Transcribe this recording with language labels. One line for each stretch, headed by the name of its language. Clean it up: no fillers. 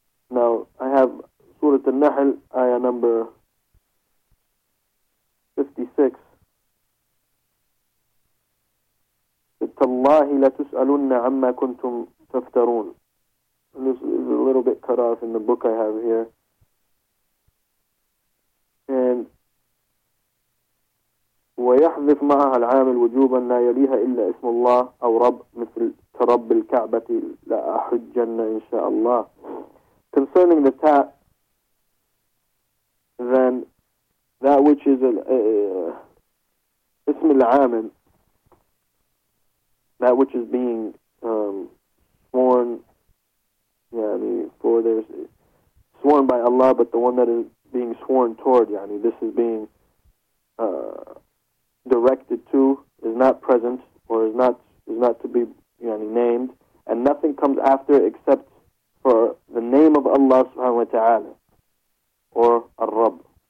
English: Now, I have Surah An-Nahl, ayah number 56.
Arabic: تَاللَّهِ لَتُسْأَلُنَّ عَمَّا كُنْتُمْ تَفْتَرُونَ.
English: And this is a little bit cut off in the book I have here. And
Arabic: ويحذف معها العامل وجوبا لا يليها إلا اسم الله أو رب مثل ترب الكعبة لا أحجن إن شاء الله.
English: Concerning the ta, which is an ism al-amil, that which is being sworn, yani, for there's sworn by Allah, but the one that is being sworn toward, yani, this is being directed to, is not present or is not to be, yani, named, and nothing comes after except for the name of Allah subhanahu wa ta'ala, or al-Rabb.